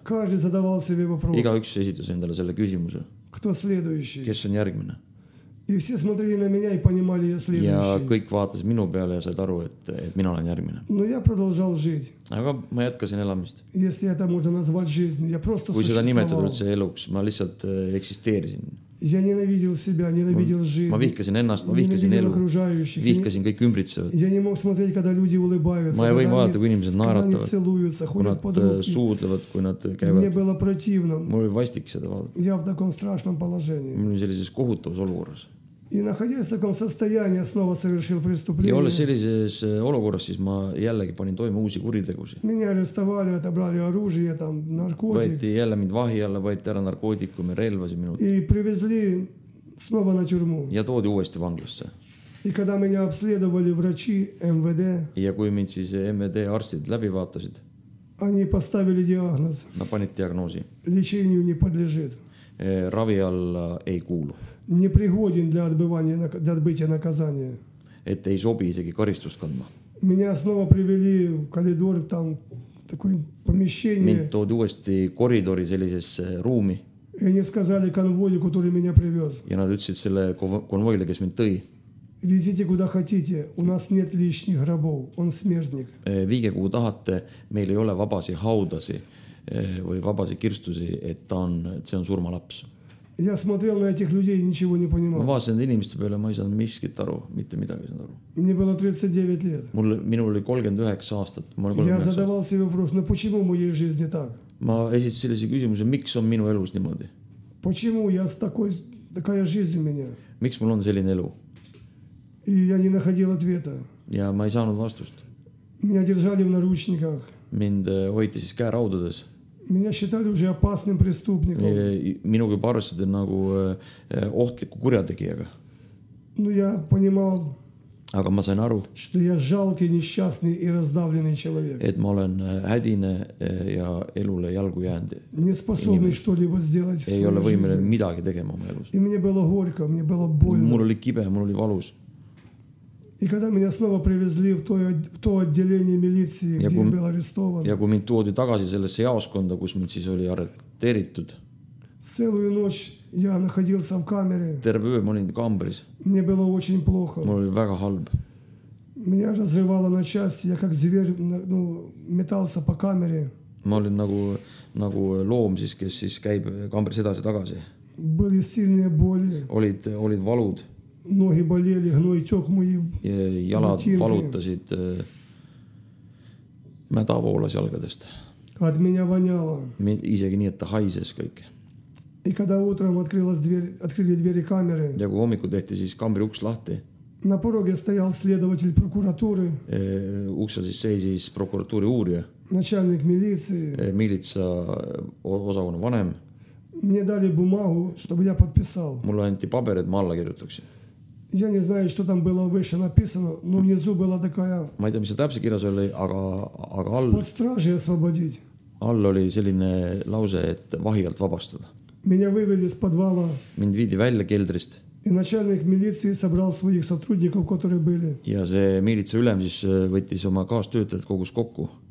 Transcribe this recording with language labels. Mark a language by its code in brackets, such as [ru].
[ru] каждый задавал себе вопрос. [et] Igaüks esitas endale selle küsimuse. [ru] Кто следующий? [et] Kes on järgmine? [ru] И все смотрели на меня и понимали, я следующий. [et] Ja kõik vaatas minu peale ja said aru, et mina olen järgmine. [ru] Но я продолжал жить. [et] Aga ma jätkasin elamist. [ru] Если это можно назвать жизнью, я просто существовал. [et] Kui seda nimetada üldse eluks, ma lihtsalt eksisteerisin. [ru] Я ненавидел себя, ненавидел жизнь. [et] Ma vihkasin ennast, ma vihkasin elu. Vihkasin kõik ümbritsevad. [ru] Я не мог смотреть, когда люди улыбаются. [et] Ma ei võin vaadata, kui inimesed naeratavad. [ru] Когда они целуются, ходят под руки. [et] Kui nad suudlevad, kui nad käivad. [ru] Мне было противно. [et] Mul oli vastik seda vaadata. [ru] Я в таком страшном положении. [et] Mul oli sellises kohutavas olukorras. [ru] И находясь в таком состоянии, снова совершил преступление. И [et] olles sellises olukorras, siis ma jällegi panin toime uusi kuritegusi. [ru] Меня арестовали, отобрали оружие, там наркотики. [et] Võeti jälle mind vahi alla, võeti ära narkootikume, relvasi minu. [ru] И привезли снова на тюрьму. [et] Ja toodi uuesti vanglasse. [ru] И когда меня обследовали врачи МВД. [et] Ja kui mind siis МВД arstid läbi vaatasid. [ru] Они поставили диагноз. [et] Nad panid diagnoosi. [ru] Лечению не подлежит. [et] Ravi alla ei kuulu. [ru] Непригоден для отбывания, для отбытия наказания. Это [et] ei sobi isegi karistust kandma. [ru] Меня снова привели в коридор, там такое помещение. [et] Mind toodi uuesti koridori sellisesse ruumi. [ru] И они сказали конвою, который меня привез. [et] Ja nad ütlesid selle konvoile, kes mind tõi. [ru] Везите куда хотите, у нас нет лишних гробов, он смертник. [et] Viige kuhu tahate, meil ei ole vabasi haudasi või vabasi kirstusi, et ta on, see on surma laps. [ru] Я смотрел на этих людей и ничего не понимал. [et] Ma vaasin inimeste peale, ma ei saanud miskit aru, mitte midagi saanud aru. [ru] Мне было 39 лет. [et] Minul oli 39 aastat. [ru] Я задавал себе вопрос, но почему в моей жизни так? [et] Ma esitasin sellise küsimuse, miks on minu elus niimoodi? [ru] Почему я с такой, такая жизнь у меня? [et] Miks mul on selline elu? [ru] И я не находил ответа. [et] Ja ma ei saanud vastust. [ru] Меня держали в наручниках. [et] Mind hoiti siis käeraudades. [ru] Меня считали уже опасным преступником. [et] Minu kui parvasid nagu ohtliku kurjategijaga. [ru] Ну я понимал. [et] Aga ma sain aru. [ru] Что я жалкий, несчастный и раздавленный человек. [et] Et ma olen hädine ja elule jalgu jäänud. [ru] Не способный что-либо сделать в своей жизни. [et] Ei ole võimeline midagi tegema oma elus. [ru] И мне было горько, мне было больно. [et] Mul oli kibe, mul oli valus. [ru] И когда меня снова привезли в то отделение милиции, [et] ja [ru] где я был арестован. [et] Ja kui mind toodi tagasi sellesse jaoskonda, kus mind siis oli arreteeritud. [ru] Целую ночь я находился в камере. [et] Terve öö, ma olin kambris. [ru] Мне было очень плохо. [et] Mul oli väga halb. [ru] Меня разрывало на части, я как зверь, ну, метался по камере. [et] Ma olin nagu loom siis, kes siis käib kambris edasi tagasi. [ru] Были сильные боли. [et] Olid valud. [ru] Ноги болели, гной тёк мои. [et] Jalad valutasid mäda voolas jalgadest. [ru] От меня воняло. [et] Isegi nii, et ta haises kõik. [ru] И когда утром открыли двери камеры. [et] Ja kui hommiku tehti, siis kambri uks lahti. [ru] На пороге стоял следователь прокуратуры. [et] Uksel siis seisis prokuratuuri uurija. [ru] Начальник милиции. [et] Милиция osakonna vanem. [ru] Мне дали бумагу, чтобы я подписал. [et] Mulle anti paber, et ma alla kirjutaksin. [ru] Я не знаю, что там было выше написано, но внизу была такая... [et] Ma ei tea, mis täpselt kirjas oli, aga all... [ru] Spot stražia освободить. [et] All oli selline lause, et vahialt vabastada. [ru] Меня вывели с подвала. [et] Mind viidi välja keldrist. [ru] И начальник милиции собрал своих сотрудников, которые были. [et] Ja see miilitsa ülem siis võttis oma kaastöötajad kogus kokku.